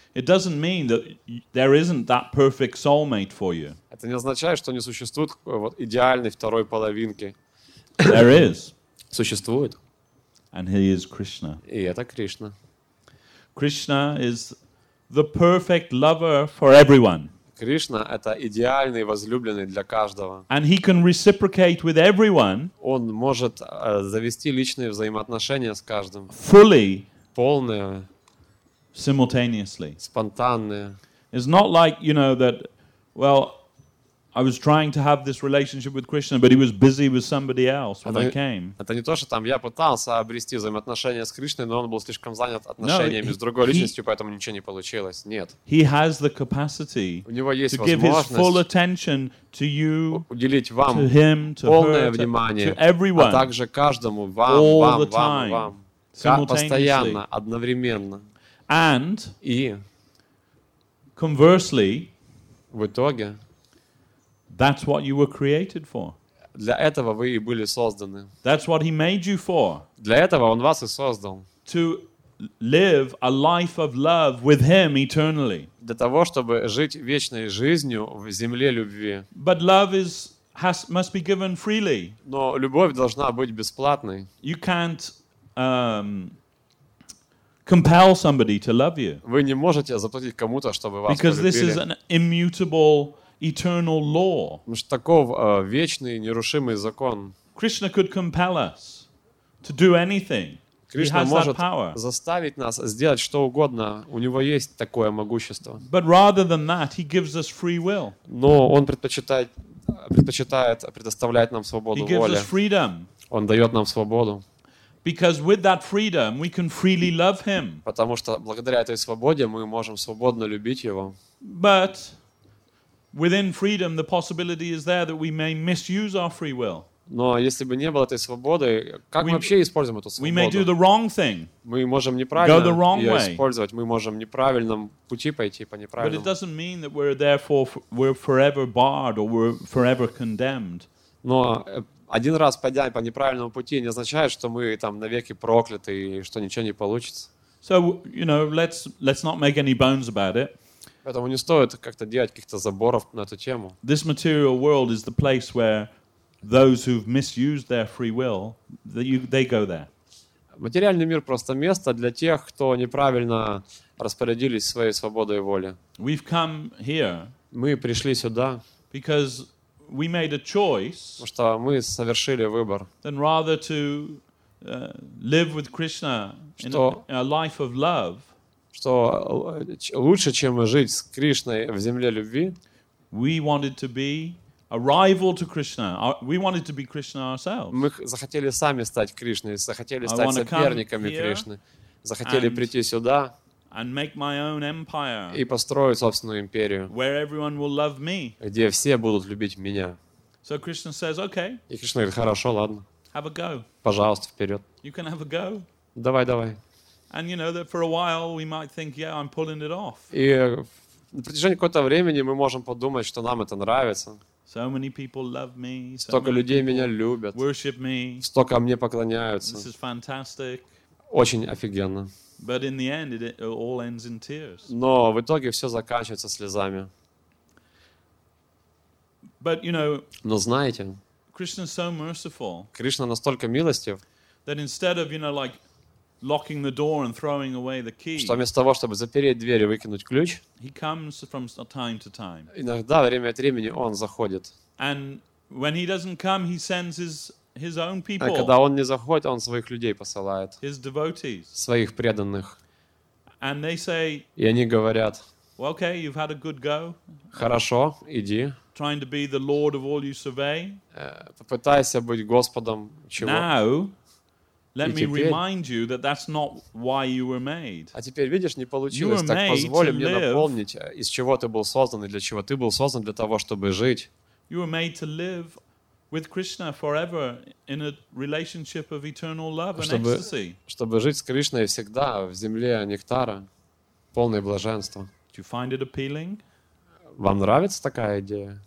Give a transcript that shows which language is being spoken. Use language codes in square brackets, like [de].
[en] It doesn't mean that there isn't that perfect soulmate for you. [ru] Это не означает, что не существует вот идеальной второй половинки. [en] There is. [ru] Существует. [en] And he is Krishna. [ru] И это Кришна. [en] Krishna is the perfect lover for everyone. [ru] Кришна — это идеальный возлюбленный для каждого. [en] And he can reciprocate with everyone. [ru] Он может завести личные взаимоотношения с каждым. [en] Fully. [ru] Полные. [en] Simultaneously. [ru] Спонтанные. [en] It's not like, you know, that, well, I was trying to have this relationship with Krishna, but he was busy with somebody else when I came. [ru] Это не то, что там я пытался обрести взаимоотношения с Кришной, но он был слишком занят отношениями с другой личностью, поэтому ничего не получилось. Нет. [en] He has the capacity. [ru] У него есть возможность [en] give his full attention to you, [ru] уделить вам [en] to him, to [ru] полное [en] her, [ru] внимание, [en] to everyone, [ru] а также каждому вам, постоянно, одновременно. [en] And [ru] и [en] conversely, [ru] в итоге. [en] That's what you were created for. [ru] Для этого вы и были созданы. [en] That's what he made you for. [ru] Для этого он вас и создал. [en] To live a life of love with him eternally. [ru] Для того, чтобы жить вечной жизнью в земле любви. [en] But love must be given freely. [ru] Но любовь должна быть бесплатной. [en] You can't compel somebody to love you. [ru] Вы не можете заплатить кому-то, чтобы вас полюбили. [en] Because this is an immutable eternal law. [ru] Таков вечный нерушимый закон. [en] Krishna could compel us to do anything. [ru] Кришна может заставить нас сделать что угодно. У него есть такое могущество. [en] But rather than that, he gives us free will. [ru] Но он предпочитает предоставлять нам свободу воли. [en] He gives us freedom. [ru] Он дает нам свободу. [en] Because with that freedom, we can freely love him. [ru] Потому что благодаря этой свободе мы можем свободно любить его. [en] But within freedom, the possibility is there that we may misuse our free will. [ru] Но если бы не было этой свободы, как мы вообще используем эту свободу? [en] We may do the wrong thing. [ru] Мы можем неправильно ее использовать. Мы можем неправильном пути пойти по неправильному. [en] But it doesn't mean that we're forever barred or we're forever condemned. [ru] Но один раз пойдя по неправильному пути не означает, что мы там навеки прокляты и что ничего не получится. [en] So you know, let's not make any bones about it. [ru] Поэтому не стоит как-то делать каких-то заборов на эту тему. [en] This material world is the place where those who've misused their free will, they go there. [ru] Материальный мир просто место для тех, кто неправильно распорядились своей свободой воли. [en] We've come here. [ru] Мы пришли сюда. [en] Because we made a choice. [ru] Потому что мы совершили выбор. [en] Than rather to live with Krishna in a life of love. [ru] Что лучше, чем жить с Кришной в земле любви. [en] We wanted to be a rival to Krishna. We wanted to be Krishna ourselves. [ru] Мы захотели сами стать Кришной, захотели стать соперниками Кришны. Захотели прийти сюда [en] and make my own empire, [ru] и построить собственную империю, [en] where everyone will love me. [ru] Где все будут любить меня. [en] So Krishna says, okay, [ru] и Кришна говорит, хорошо, ладно. [en] Have a go. [ru] Пожалуйста, вперед. [en] You can have a go. [ru] Давай, давай. [en] And you know that for a while we might think, yeah, I'm pulling it off. [ru] И на протяжении какого-то времени мы можем подумать, что нам это нравится. [en] So many people love me. [ru] Столько людей меня любят. [en] Worship me. [ru] Столько мне поклоняются. [en] This is fantastic. [ru] Очень офигенно. [en] But in the end, it all ends in tears. [ru] Но в итоге все заканчивается слезами. [en] But you know, [ru] но знаете, [en] Krishna is so merciful. [ru] Кришна настолько милостив, [en] that instead of, you know, like locking the door and throwing away the key. [ru] Что вместо того, чтобы запереть дверь и выкинуть ключ, [en] he comes from time to time. [ru] Иногда время от времени он заходит. [en] And when he doesn't come, he sends his own people. [ru] А когда он не заходит, он своих людей посылает. [en] His devotees. [ru] Своих преданных. [en] And they say. [ru] И они говорят. [en] Well, okay, you've had a good go. [ru] Хорошо, иди. [en] Trying to be the lord of all you survey. [ru] Попытайся быть господом чего. [en] Now. Let me remind you that that's not why you were made. [ru] А теперь видишь, не получилось. Так позволь мне напомнить, из чего ты был создан и для чего ты был создан, для того, чтобы жить. [en] You were made to live with Krishna forever in a relationship of eternal love and ecstasy. [ru] Чтобы жить с Кришной всегда в земле нектара, полное блаженство. [en] Do you find it appealing? [ru] Вам нравится такая идея?